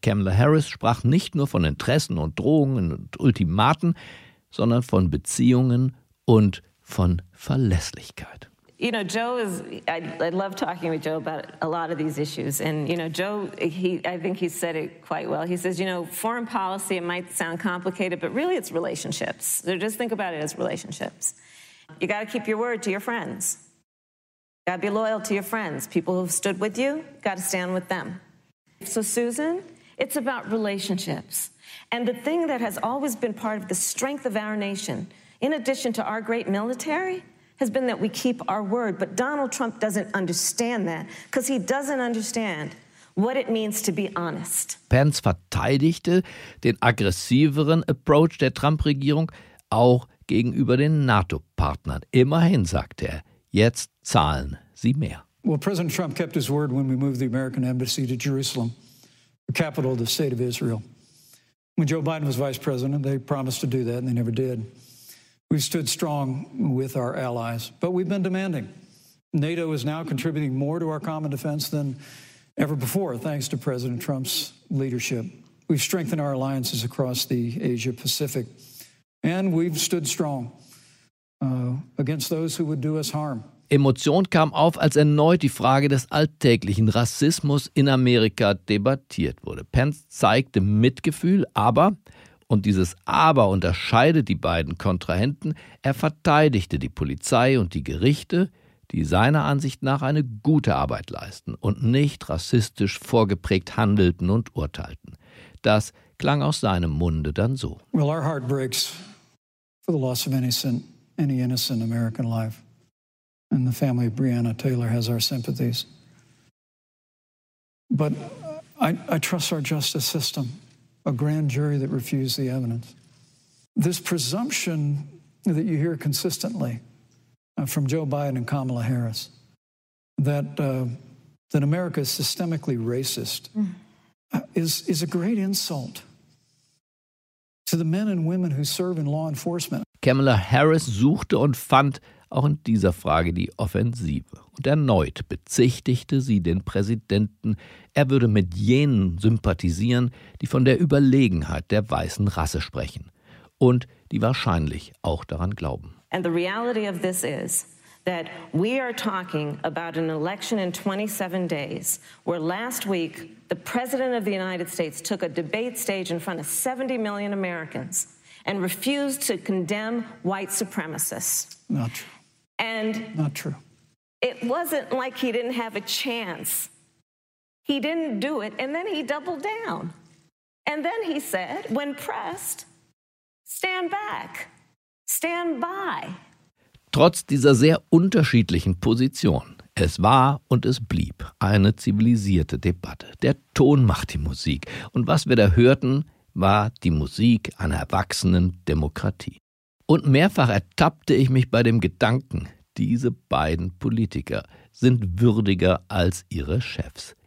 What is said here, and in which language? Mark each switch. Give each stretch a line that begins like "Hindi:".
German: Kamala Harris sprach nicht nur von Interessen und Drohungen und Ultimaten, sondern von Beziehungen und von Verlässlichkeit.
English: You know, Joe is, I love talking with Joe about a lot of these issues. And, you know, Joe, I think he said it quite well. He says, you know, foreign policy, it might sound complicated, but really it's relationships. So just think about it as relationships. You got to keep your word to your friends. You got to be loyal to your friends. People who've stood with you, got to stand with them. So, Susan, it's about relationships. And the thing that has always been part of the strength of our nation, in addition to our great military, has been that we keep our word. But Donald Trump doesn't understand that, because he doesn't understand what it means to be honest.
German: Pence verteidigte den aggressiveren Approach der Trump-Regierung auch gegenüber den NATO-Partnern. Immerhin, sagte er, jetzt zahlen sie mehr.
English: Well, President Trump kept his word when we moved the American embassy to Jerusalem, the capital of the state of Israel. When Joe Biden was vice president, they promised to do that, and they never did. We stood strong with our allies, but we've been demanding. NATO is now contributing more to our common defense than ever before, thanks to President Trump's leadership. We've strengthened our alliances across the Asia Pacific, and we've stood strong against those who would do us harm.
German: Emotion kam auf, als erneut die Frage des alltäglichen Rassismus in Amerika debattiert wurde. Pence zeigte Mitgefühl, aber, Und dieses Aber unterscheidet die beiden Kontrahenten. Er verteidigte die Polizei und die Gerichte, die seiner Ansicht nach eine gute Arbeit leisten und nicht rassistisch vorgeprägt handelten und urteilten. Das klang aus seinem Munde dann so.
English: Well, our heart breaks for the loss of any innocent American life. And the family of Breonna Taylor has our sympathies. But I trust our justice system, a grand jury that refused the evidence. This presumption that you hear consistently from Joe Biden and Kamala Harris, that America is systemically racist, is a great insult to the men and women who serve in law enforcement.
German: Kamala Harris suchte und fand auch in dieser Frage die Offensive. Und erneut bezichtigte sie den Präsidenten, er würde mit jenen sympathisieren, die von der Überlegenheit der weißen Rasse sprechen und die wahrscheinlich auch daran glauben.
English: And the reality of this is that we are talking about an election in 27 days, where last week the President of the United States took a debate stage in front of 70 million Americans and refused to condemn white supremacists. Not true. And not true. It wasn't like he didn't have a chance. He didn't do it, and then he doubled down. And then he said, when pressed, stand back. Stand by.
German: Trotz dieser sehr unterschiedlichen Position, es war und es blieb eine zivilisierte Debatte. Der Ton macht die Musik. Und was wir da hörten, war die Musik einer erwachsenen Demokratie. Und mehrfach ertappte ich mich bei dem Gedanken, diese beiden Politiker sind würdiger als ihre Chefs.